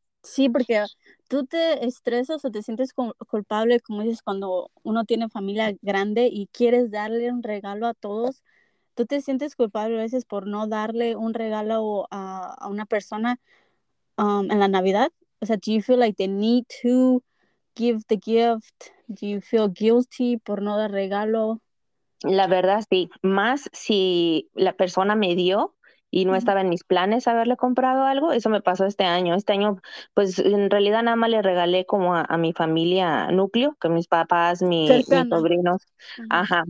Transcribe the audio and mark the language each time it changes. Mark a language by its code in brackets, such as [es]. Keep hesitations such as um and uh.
[es] Sí, porque tú te estresas o te sientes culpable, como dices, cuando uno tiene familia grande y quieres darle un regalo a todos tú te sientes culpable a veces por no darle un regalo a, a una persona um, en la Navidad? O sea, [en] do you feel like they need to give the gift? Do you feel guilty [es] por no dar regalo? La verdad, sí. Más si la persona me dio y no estaba en mis planes haberle comprado algo. Eso me pasó este año. Este año, pues en realidad nada más le regalé como a, a mi familia núcleo, que mis papás, mi, sí, mis plan. sobrinos. Ajá.